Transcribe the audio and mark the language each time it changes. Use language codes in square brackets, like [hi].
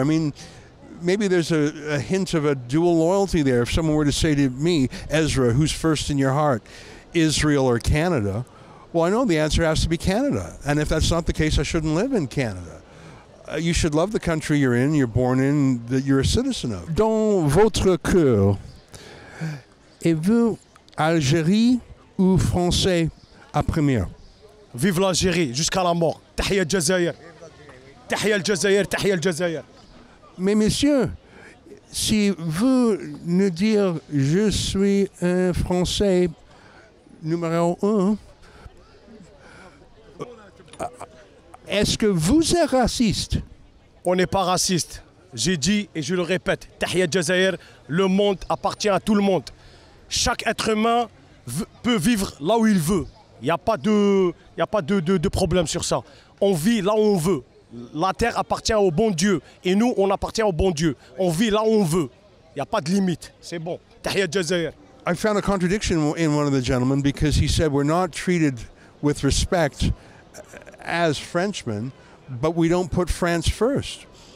[en] I mean, maybe there's a hint of a dual loyalty there. If someone were to say to me, Ezra, who's first in your heart? Israel or Canada? Well, I know the answer has to be Canada. And if that's not the case, I shouldn't live in Canada. You should love the country you're in, you're born in, that you're a citizen of. [fr] Dans votre cœur, êtes-vous Algérie ou Français à première? Vive l'Algérie jusqu'à la mort. [ar] Tahia al-Jazayir. Tahia al-Jazayir, tahia al-Jazayir. [fr] Mais monsieur, si vous ne dites je suis un Français numéro un, est-ce que vous êtes raciste? On n'est pas raciste. J'ai dit et je le répète, [ar] Tahia Jazair, [fr] le monde appartient à tout le monde. Chaque être humain peut vivre là où il veut. Il n'y a pas de problème sur ça. On vit là où on veut. La terre appartient au bon Dieu et nous, on appartient au bon Dieu. On vit là où on veut. Il n'y a pas de limite. C'est bon. [ar] Tahia Jazair. [en] I found a contradiction in one of the gentlemen because he said we're not treated with respect as Frenchmen, but we don't put France first.